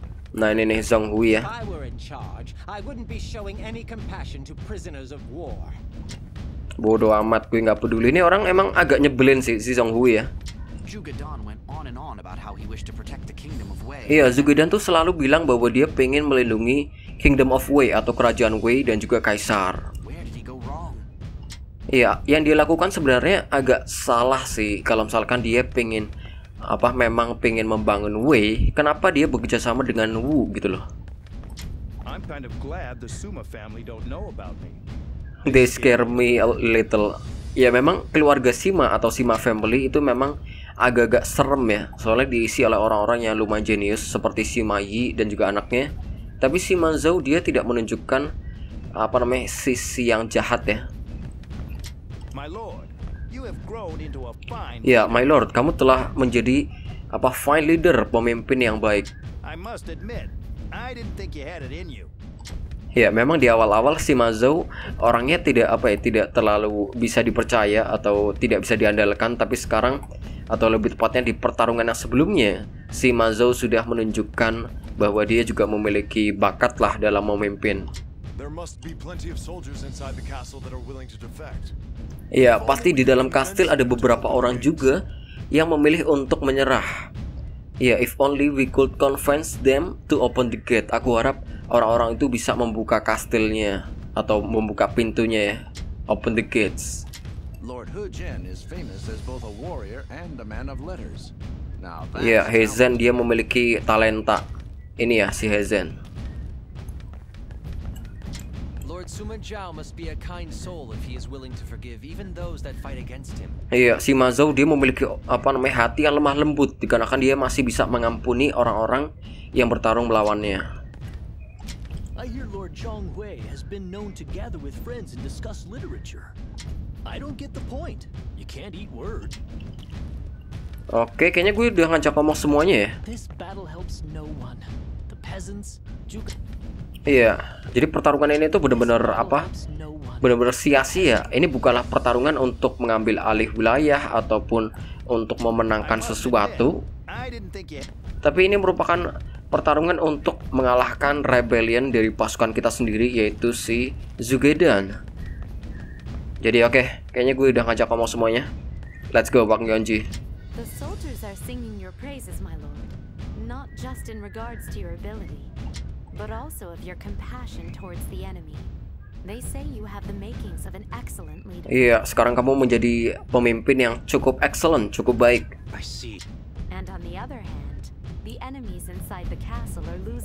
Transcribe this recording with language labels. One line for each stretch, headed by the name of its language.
Indonesian: Nah ini nih Zhong Hui ya.
English: I were in charge, I wouldn't be showing any compassion to prisoners of war.
Indonesian: Bodoh amat, gue nggak peduli. Ini orang emang agak nyebelin sih si Zhong Hui ya.
English: Zugaidan went on and on about how he wished to protect the Kingdom of Wei.
Indonesian: Iya, Zugaidan tuh selalu bilang bahwa dia pengen melindungi Kingdom of Wei atau Kerajaan Wei dan juga Kaisar.
English: Where did he go wrong?
Indonesian: Iya, yang dia lakukan sebenarnya agak salah sih kalau misalkan dia pengen apa memang pengen membangun Wei, kenapa dia bekerja sama dengan Wu gitu loh.
English: I'm kind of glad the Suma family don't know about me. They scare me a little.
Indonesian: Ya memang keluarga Sima atau Sima family itu memang agak-agak serem ya, soalnya diisi oleh orang-orang yang lumayan jenius seperti Sima Yi dan juga anaknya. Tapi Sima Zhou dia tidak menunjukkan apa namanya sisi yang jahat ya.
English: My lord, you have grown into a fine.
Indonesian: Ya, my lord, kamu telah menjadi apa fine leader, pemimpin yang baik.
English: I must admit, I didn't think you had it in you.
Indonesian: Ya, memang di awal-awal si Mazou orangnya tidak apa ya, tidak terlalu bisa dipercaya atau tidak bisa diandalkan, tapi sekarang atau lebih tepatnya di pertarungan yang sebelumnya, si Mazou sudah menunjukkan bahwa dia juga memiliki bakat lah dalam memimpin.
English: There must be plenty of soldiers inside the castle that are willing to defect.
Indonesian: Ya, pasti di dalam kastil ada beberapa orang juga yang memilih untuk menyerah.
English: Ya, if only we could convince them to open the gate.
Indonesian: Aku harap orang-orang itu bisa membuka kastilnya atau membuka pintunya ya.
English: Open the gates. Lord Hu Jen is famous as both a warrior and a man of letters.
Indonesian: Now, ya, He Zhen dia memiliki talenta. Ini ya si He Zhen. Lord
English: Sima Zhao must be a kind soul if he is willing to forgive even those that fight against him.
Indonesian: Iya, Sima Zhao dia memiliki apa namanya hati yang lemah lembut dikarenakan dia masih bisa mengampuni orang-orang yang bertarung melawannya.
English: I hear Lord Zhang Wei has been known to gather with friends and discuss literature. I don't get the point. You can't eat word.
Indonesian: Oke, kayaknya gue udah ngajak ngomong semuanya ya.
English: This battle helps no one. The peasants,
Indonesian: juga. Iya, jadi pertarungan ini tuh benar-benar apa? Benar-benar sia-sia. Ini bukanlah pertarungan untuk mengambil alih wilayah ataupun untuk memenangkan sesuatu. Tapi ini merupakan pertarungan untuk mengalahkan rebellion dari pasukan kita sendiri, yaitu si Zugedan. Jadi oke, kayaknya gue udah ngajak ngomong semuanya.
English: Let's go, Bang Yeonji. The soldiers are singing your praises, my lord. Not just in regards to your ability, but also of your compassion towards the enemy. They say you have the makings of an excellent leader.
Indonesian: Iya, sekarang kamu menjadi pemimpin yang cukup excellent, cukup baik.
English: I see. And on the other hand, the enemies inside the castle are losing.